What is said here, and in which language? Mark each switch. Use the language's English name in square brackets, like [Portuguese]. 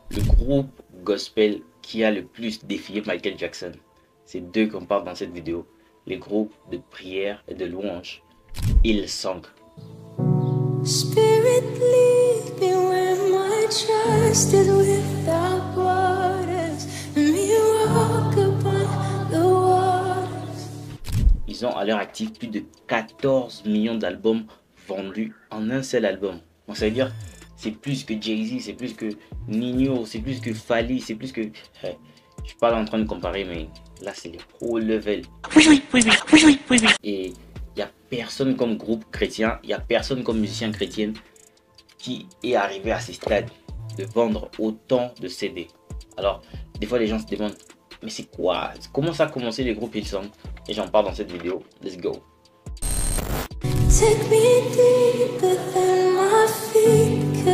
[French] Le groupe gospel qui a le plus défié Michael Jackson, c'est d'eux qu'on parle dans cette vidéo. Les groupes de prière et de louange, Hillsong. [English] Spirit, lead me where my trust is without borders. Me walk upon the waters. [French] Ils ont à leur actif plus de 14 millions d'albums vendus en un seul album. Bon, ça veut dire c'est plus que Jay-Z, c'est plus que Nino, c'est plus que Fally, c'est plus que... Je suis pas en train de comparer, mais là, c'est les pro level. Oui. Et il n'y a personne comme groupe chrétien, il n'y a personne comme musicien chrétien qui est arrivé à ce stade de vendre autant de CD. Alors, des fois, les gens se demandent, mais c'est quoi? Comment ça a commencé les groupes Hillsong? Et j'en parle dans cette vidéo. [English] Let's go. Take me deeper than my feet.